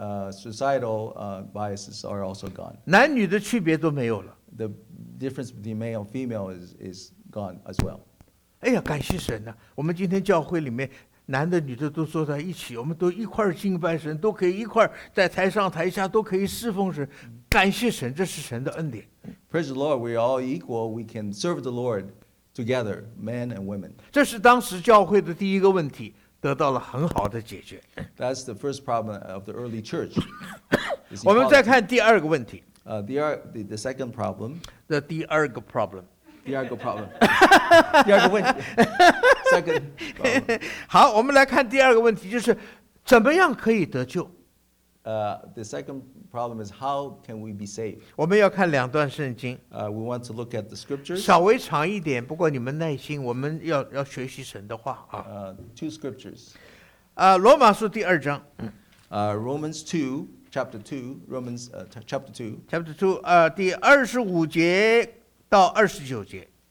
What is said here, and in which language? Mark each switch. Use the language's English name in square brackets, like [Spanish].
[English] Societal biases are also gone. [Chinese] 男女的区别都没有了。 [English] The difference between male and female is gone as well. [Chinese] 哎呀，感谢神呐！我们今天教会里面男的女的都坐在一起，我们都一块儿敬拜神，都可以一块儿在台上台下都可以侍奉神。感谢神，这是神的恩典。 [English] Praise the Lord, we are all equal. We can serve the Lord. Together, men and women. [Chinese] 这是当时教会的第一个问题，得到了很好的解决。 [English] That's the first problem of the early church. [Chinese] 我们再看第二个问题。 [English] The second problem. The [Chinese] 第二个 [English] problem. [Chinese] 第二个 [English] problem. [Chinese] 第二个问题。 [English] Second problem. [Chinese] 好，我们来看第二个问题，就是怎么样可以得救。 [English] The second problem is how can we be saved? [Chinese] 我们要看两段圣经。 [English] We want to look at the scriptures. [Chinese] 稍微长一点，不过你们耐心，我们要学习神的话啊。 [English] Two scriptures. [Chinese] 罗马书第二章。 [English] Romans 2, chapter 2, Romans chapter 2. Chapter 2, [Chinese] 第二十五节到二十九节。